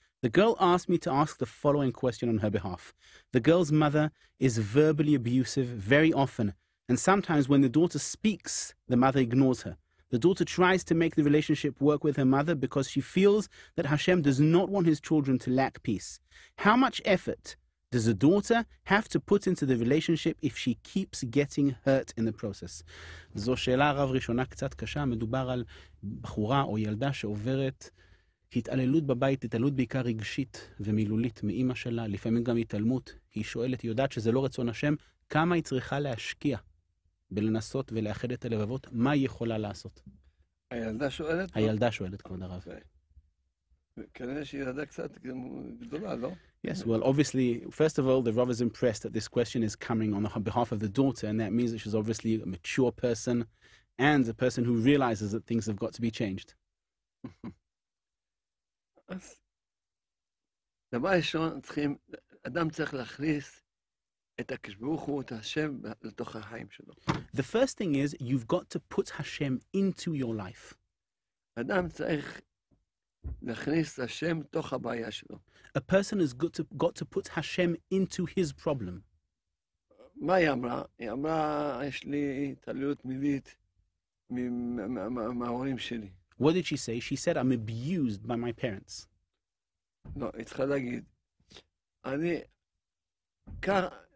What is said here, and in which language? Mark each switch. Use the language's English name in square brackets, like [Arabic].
[English] The girl asked me to ask the following question on her behalf. The girl's mother is verbally abusive very often, and sometimes when the daughter speaks, the mother ignores her. The daughter tries to make the relationship work with her mother because she feels that Hashem does not want his children to lack peace. How much effort does a daughter have to put into the relationship if she keeps getting hurt in the process? [Hebrew] זו שאלה רב ראשונה קצת קשה. מדובר על בחורה או ילדה שעוברת התעללות בבית, התעללות בעיקר רגשית ומילולית מאימא שלה, לפעמים גם התעלמות. היא שואלת, היא יודעת שזה לא רצון השם, כמה היא צריכה להשקיע בלנסות ולאחד את הלבבות, מה היא יכולה לעשות? הילדה שואלת? הילדה שואלת, כבוד הרב. כנראה שהיא ילדה קצת גדולה, לא? [English] Yes, well, obviously, first of all, the Rav is impressed that this question is coming on behalf of the daughter, and that means that she's obviously a mature person and a person who realizes that things have got to be changed. [Hebrew] דבר ראשון, אדם צריך להכניס את הקדוש ברוך הוא, את השם, לתוך החיים שלו. [English] The first thing is, you've got to put Hashem into your life. [Hebrew] אדם צריך להכניס השם תוך הבעיה שלו. [English] A person has got to put Hashem into his problem. [Hebrew] מה היא אמרה? היא אמרה, יש לי התעללות מינית מההורים שלי. [English] What did she say? She said, I'm abused by my parents. [Hebrew] לא, היא צריכה להגיד, אני כך